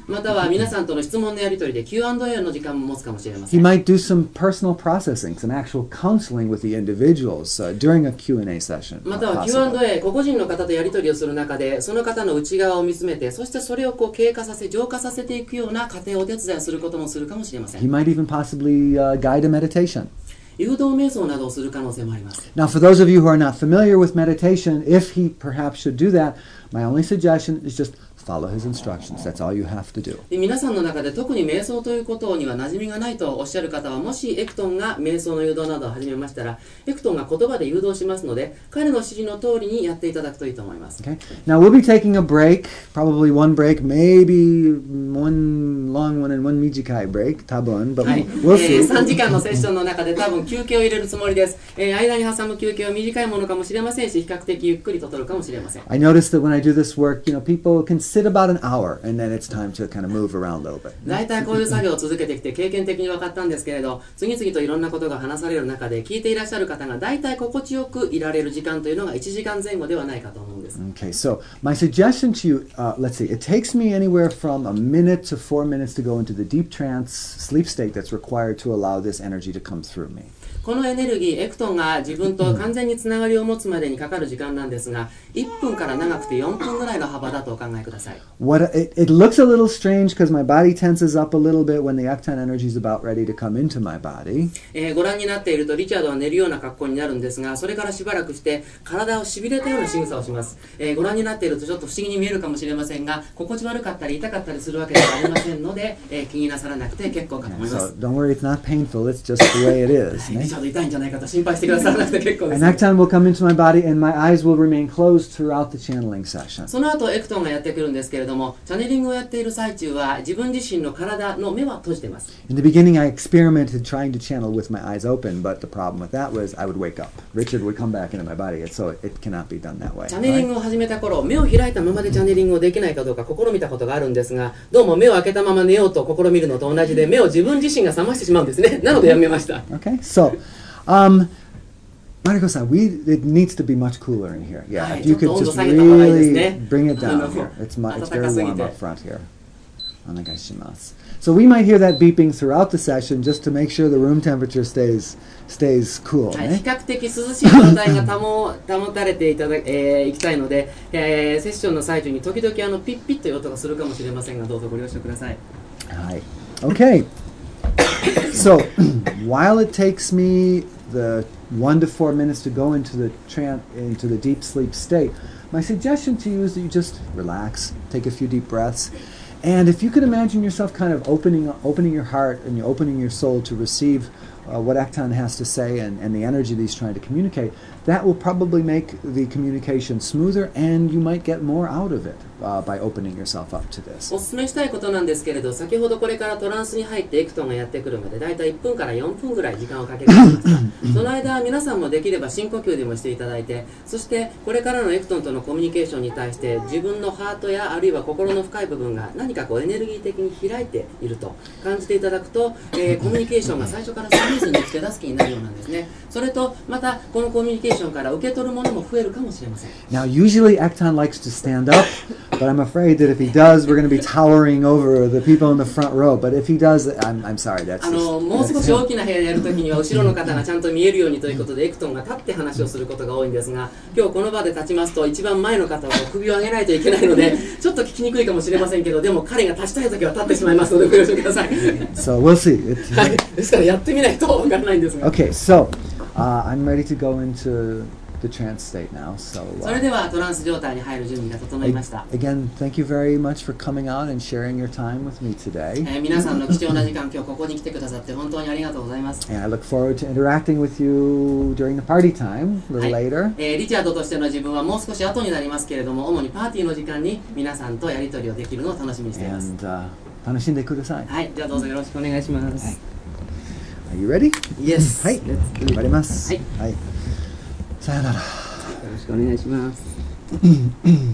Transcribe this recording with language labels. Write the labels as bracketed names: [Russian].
[Japanese] または皆さんとの質問のやり取りで Q&A の時間も持つかもしれません。 [English] He might do some personal processing, some actual counseling with the individuals, during a Q&A session. [Japanese] または Q&A、個々人の方とやり取りをする中で、その方の内側を見つめて、そしてそれをこう経過させ、浄化させていくような過程をお手伝いすることもするかもしれません。 [English] He might even possibly, guide a meditation. [Japanese] 誘導瞑想などをする可能性もあります。 [English] Now, for those of you who are not familiar with meditation, if he perhaps should do that, my only suggestion is just follow his instructions. That's all you have to do. [Japanese] 皆さんの中で特に瞑想ということには馴染みがないとおっしゃる方は、もしエクトンが瞑想の誘導などを始めましたら、エクトンが言葉で誘導しますので、彼の指示の通りにやっていただくといいと思います。 [English] Okay. Now, we'll be taking a break, probably one break, maybe one long one and one [Japanese] 短い [English] break, [Japanese] 多分、 [English] but we'll see. [Japanese] 3時間のセッションの中で多分休憩を入れるつもりです。間に挟む休憩は短いものかもしれませんし、比較的ゆっくりと取るかもしれません。 [English] I noticed that when I do this work, you know, people can sit about an hour and then it's time to kind of move around a little bit. [Japanese] だいたいこういう作業を続けてきて経験的に分かったんですけれど、次々といろんなことが話される中で聞いていらっしゃる方がだいたい心地よくいられる時間というのが1時間前後ではないかと思うんです。 [English] Okay, so my suggestion to you, let's see, it takes me anywhere from a minute to four minutes to go into the deep trance sleep state that's required to allow this energy to come through me. [Japanese] このエネルギー、エクトンが自分と完全につながりを持つまでにかかる時間なんですが、1分から長くて4分ぐらいの幅だとお考えください。 [English] It looks a little strange because my body tenses up a little bit when the Ekton energy is about ready to come into my body. [Japanese] ご覧になっていると、リチャードは寝るような格好になるんですが、それからしばらくして体をしびれたような仕草をします。ご覧になっているとちょっと不思議に見えるかもしれませんが、心地悪かったり痛かったりするわけではありませんので、気になさらなくて結構かと思います。 [English] Yeah, so don't worry, it's not painful. It's just the way it is. And Ekton will come into my body and my eyes will remain closed throughout the channeling session. [Japanese] その後エクトンがやってくるんですけれども、チャネリングをやっている最中は自分自身の体の目は閉じています。 [English] In the beginning, I experimented trying to channel with my eyes open, but the problem with that was I would wake up. Richard would come back into my body, so it cannot be done that way. [Japanese] チャネリングを始めた頃、目を開いたままでチャネリングをできないかどうか試みたことがあるんですが、どうも目を開けたまま寝ようと試みるのと同じで、目を自分自身が覚ましてしまうんですね。なのでやめました。 [English] Okay, so... Mariko-san, it needs to be much cooler in here. Yeah, if you could just really bring it down here. It's very warm up front here. So we might hear that beeping throughout the session just to make sure the room temperature stays cool. [Japanese] 比較的涼しい状態が保たれていただき、行きたいので、セッションの最中に時々ピッピッという音がするかもしれませんが、どうぞご了承ください。はい。Okay. [English] So, while it takes me the 1 to 4 minutes to go into the deep sleep state, my suggestion to you is that you just relax, take a few deep breaths, and if you could imagine yourself kind of opening your heart and you're opening your soul to receive what Ekton has to say and the energy that he's trying to communicate, that will probably make the communication smoother and you might get more out of it. By opening yourself up to this. [Japanese] おすすめしたいことなんですけれど、先ほどこれからトランスに入ってエクトンがやってくるまで、だいたい1分から4分ぐらい時間をかけてください。その間、皆さんもできれば深呼吸でもしていただいて、そしてこれからのエクトンとのコミュニケーションに対して、自分のハートやあるいは心の深い部分が何かこうエネルギー的に開いていると感じていただくと、コミュニケーションが最初からスムーズに手助けになるようなんですね。それと、またこのコミュニケーションから受け取るものも増えるかもしれません。 [English] Now, usually Ekton likes to stand up. But I'm afraid that if he does, we're going to be towering over the people in the front row. But if he does, I'm sorry. That's just, [Japanese] もう少し大きな部屋でやるときには後ろの方がちゃんと見えるようにということでエクトンが立って話をすることが多いんですが、今日この場で立ちますと一番前の方は首を上げないといけないのでちょっと聞きにくいかもしれませんけど、でも彼が立ちたいときは立ってしまいますのでご了承ください。 [English] So we'll see. [Japanese] ですからやってみないとわからないんですが。 [English] Okay, so, I'm ready to go into... The trance state now. So, [Japanese] それではトランス状態に入る準備が整いました。 [English] Again, thank you very much for coming out and sharing your time with me today. [Japanese] 皆さんの貴重な時間、今日ここに来てくださって本当にありがとうございます。 [English] And I look forward to interacting with you during the party time a little later. [Japanese] リチャードとしての自分はもう少し後になりますけれども、主にパーティーの時間に皆さんとやり取りをできるのを楽しみにしています。 And, 楽しんでください。はい、じゃあどうぞよろしくお願いします。 [English] Okay. Are you ready? Yes. [Japanese] はい、 [English] Let's do it. [Japanese] 頑張ります。はい。はい。さよなら。よろしくお願いします。